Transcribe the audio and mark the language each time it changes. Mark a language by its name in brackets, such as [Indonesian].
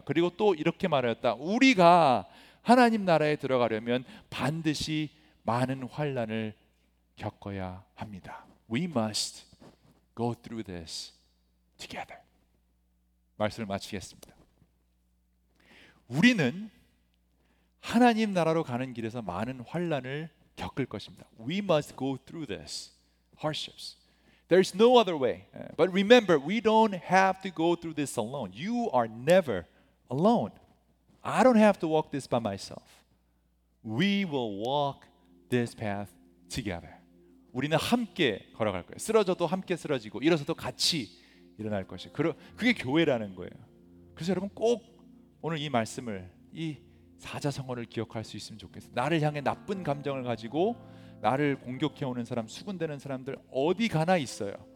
[Korean] 그리고 또 이렇게 말하였다. 우리가 하나님 나라에 들어가려면 반드시 많은 환난을 겪어야 합니다. [English] We must go through this together. [Korean] 말씀을 마치겠습니다. 우리는 하나님 나라로 가는 길에서 많은 환난을 겪을 것입니다. [English] We must go through this hardships. There's no other way. But remember, we don't have to go through this alone. You are never alone. I don't have to walk this by myself. We will walk this path together. [Korean] 우리는 함께 걸어갈 거예요. 쓰러져도 함께 쓰러지고 일어서도 같이 일어날 것이에요. 그게 교회라는 거예요. 그래서 여러분 꼭 오늘 이 말씀을 이 사자성어를 기억할 수 있으면 좋겠어요. 나를 향해 나쁜 감정을 가지고 나를 공격해오는 사람, 수군대는 사람들 어디 가나 있어요.